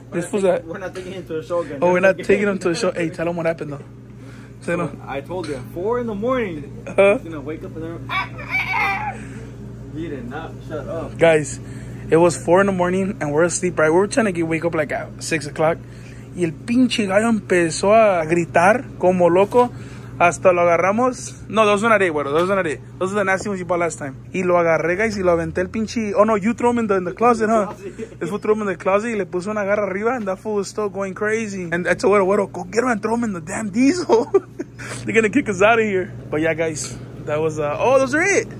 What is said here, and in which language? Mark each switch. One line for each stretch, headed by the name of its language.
English: We're not taking him to a show again. Oh, we're not taking him to a show. Hey, tell him what happened, though. I told you, 4 in the morning, he's gonna wake up and he did not shut up. Guys, it was 4 in the morning and we're asleep, right? We were trying to wake up like at 6 o'clock.
Spanish: Y el pinche gallo empezó a gritar como loco. Hasta lo agarramos.
English: No, those were not it, güero. Those were not it. Those were the nasty ones you bought last time.
Spanish: Y lo agarré, guys, y lo aventé el pinche.
English: Oh, no, you threw him in the closet, huh? This fool threw him in the closet
Spanish: y le puso una garra arriba,
English: and that fool was still going crazy. And that's a güero, güero. Go get him and throw him in the damn diesel. They're gonna kick us out of here. But yeah, guys, that was, oh, those are it.